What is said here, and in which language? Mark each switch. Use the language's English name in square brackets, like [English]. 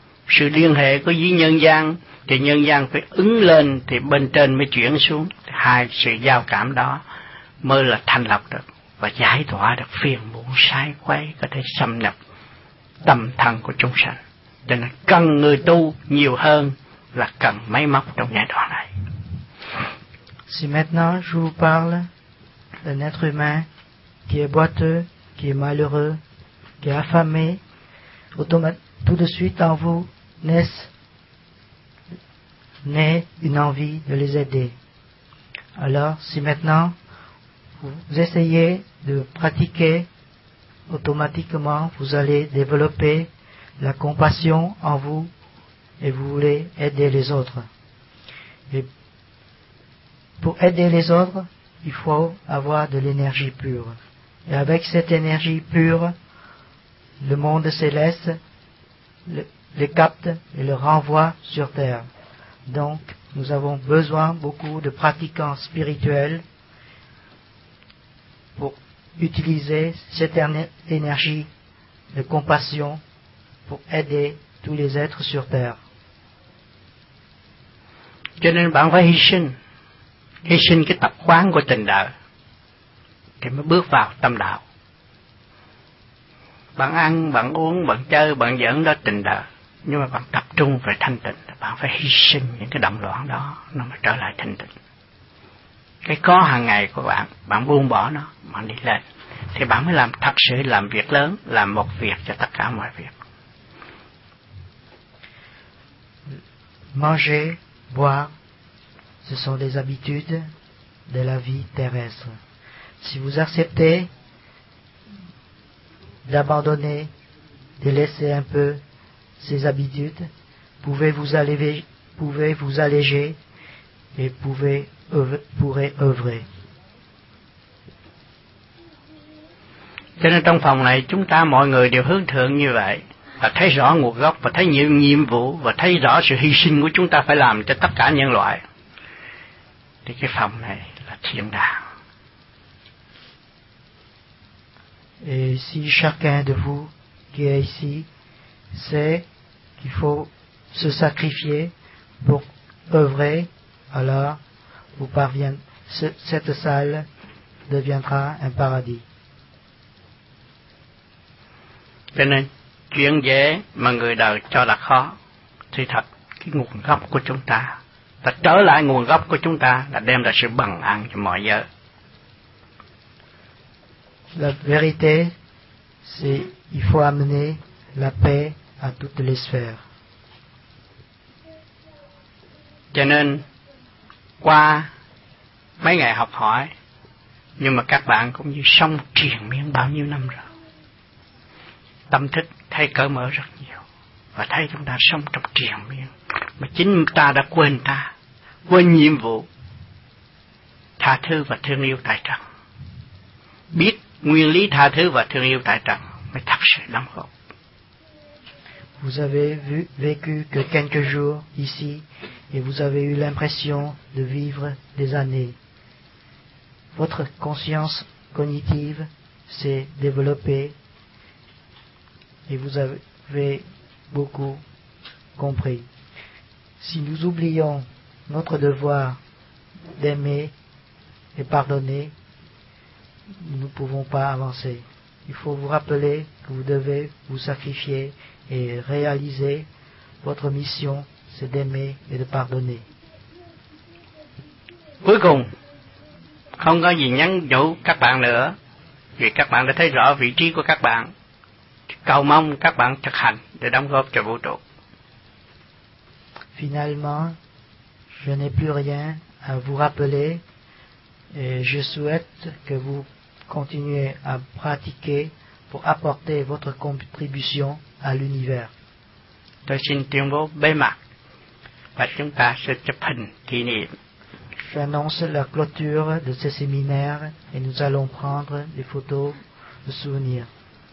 [Vietnamese] Sự liên hệ có với nhân gian thì nhân gian phải ứng lên thì bên trên mới chuyển xuống, hai sự giao cảm đó mới là thành lập được và giải tỏa được phiền muộn sai quấy có thể xâm nhập tâm thần của chúng sanh. Cho nên cần người tu nhiều hơn là cần máy móc trong giai đoạn này. [French] Si maintenant je vous parle d'un être humain qui est boiteux, qui est malheureux, qui est affamé, tout de suite en vous naît une envie de les aider. Alors, si maintenant vous essayez de pratiquer, automatiquement vous allez développer la compassion en vous et vous voulez aider les autres. Et pour aider les autres, il faut avoir de l'énergie pure. Et avec cette énergie pure, le monde céleste les capte et le renvoie sur terre. Donc, nous avons besoin beaucoup de pratiquants spirituels pour utiliser cette énergie de compassion pour aider tous les êtres sur terre. [Vietnamese] Cho nên bạn phải hy sinh cái tập quán của tình đời thì mới bước vào tâm đạo. Bạn ăn, bạn uống, bạn chơi, bạn giỡn đó tình đời, nhưng mà bạn tập trung về thanh tịnh, bạn phải hy sinh những cái động loạn đó nó mới trở lại thanh tịnh. Cái khó hàng ngày của bạn, bạn buông bỏ nó, bạn đi lên thì bạn mới làm thật sự làm việc lớn, làm một việc cho tất cả mọi việc. [French] Manger, boire, ce sont des habitudes de la vie terrestre. Si vous acceptez d'abandonner, de laisser un peu ces habitudes, pouvez vous alléger et pourrez œuvrer. [Vietnamese] Cho nên trong phòng này chúng ta mọi người đều hướng thượng như vậy, và thấy rõ nguồn gốc, và thấy nhiệm vụ, và thấy rõ sự hy sinh của chúng ta phải làm cho tất cả nhân loại. Thì cái phòng này là thiên đàng. [French] Et si chacun de vous qui est ici sait qu'il faut se sacrifier pour œuvrer, alors vous parviendrez, cette salle deviendra un paradis. [Vietnamese] Cho nên chuyện dễ mà người đời cho là khó, thì thật cái nguồn gốc của chúng ta, là trở lại nguồn gốc của chúng ta là đem lại sự bằng an cho mọi giới. [French] La vérité, c'est il faut amener la paix à toutes les sphères. [Vietnamese] Cho nên qua mấy ngày học hỏi, nhưng mà các bạn cũng như sống triền miên bao nhiêu năm rồi, tâm thức thay cởi mở rất nhiều, và thấy chúng ta sống trong triền miên mà chính ta đã quên ta, quên nhiệm vụ, tha thứ và thương yêu tại trần, biết nguyên lý tha thứ và thương yêu tại trần mới thật sự lắm không? [French] Vous avez vécu que quelques jours ici et vous avez eu l'impression de vivre des années. Votre conscience cognitive s'est développée et vous avez beaucoup compris. Si nous oublions notre devoir d'aimer et pardonner, nous ne pouvons pas avancer. Il faut vous rappeler que vous devez vous sacrifier et réaliser votre mission, c'est d'aimer et de pardonner. [Vietnamese] Cuối cùng, không có gì nhắn nhủ các bạn nữa, vì các bạn đã thấy rõ vị trí của các bạn. Cầu mong các bạn thực hành để đóng góp cho vũ trụ. [French] Finalement, je n'ai plus rien à vous rappeler et je souhaite que vous continuez à pratiquer pour apporter votre contribution à l'univers. [Vietnamese] Tôi xin tuyên bố bế mạc và chúng ta sẽ chụp hình kỷ niệm. [French] J'annonce la clôture de ce séminaire et nous allons prendre des photos de souvenirs.